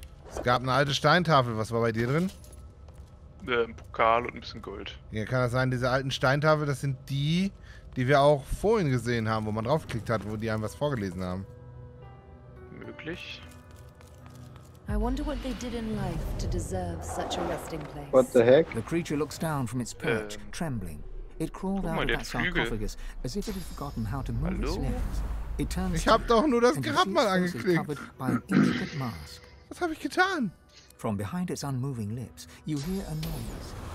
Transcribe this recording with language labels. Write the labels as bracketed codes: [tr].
[de] Es gab eine alte Steintafel, was war bei dir drin? Ein Pokal und ein bisschen Gold. Ja, kann das sein, diese alten Steintafel, das sind die, die wir auch vorhin gesehen haben, wo man draufgeklickt hat, wo die einem was vorgelesen haben. Möglich. [en] I wonder what they did in life to deserve such a resting place. What the heck? The creature looks down from its perch, trembling. It crawled out of that sarcophagus, as if it had forgotten how to move its limbs. It turns. [de] Ich hab doch nur das Grab mal angeklickt. Was hab ich getan? [en] From behind its unmoving lips, you hear a noise.